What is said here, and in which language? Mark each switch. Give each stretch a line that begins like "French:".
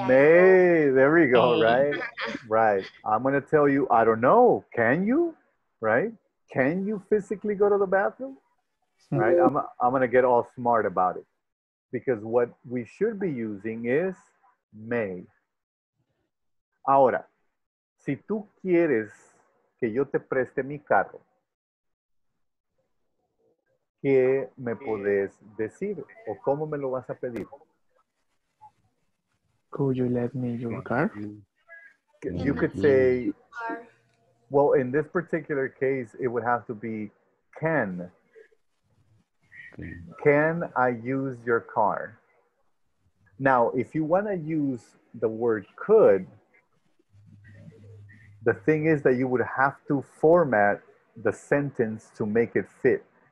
English: There we go, right? Right. I'm going to tell you, I don't know. Can you? Right? Can you physically go to the bathroom? Right? I'm going to get all smart about it. Because what we should be using is may.
Spanish: Ahora, si tú quieres que yo te preste mi carro, ¿qué me puedes decir? ¿O cómo me lo vas a pedir?
English: Could you let me your car? You could say, well, in this particular case, it would have to be can. Can I use your car? Now, if you want to use the word could, the thing is that you would have to format the sentence to make it fit.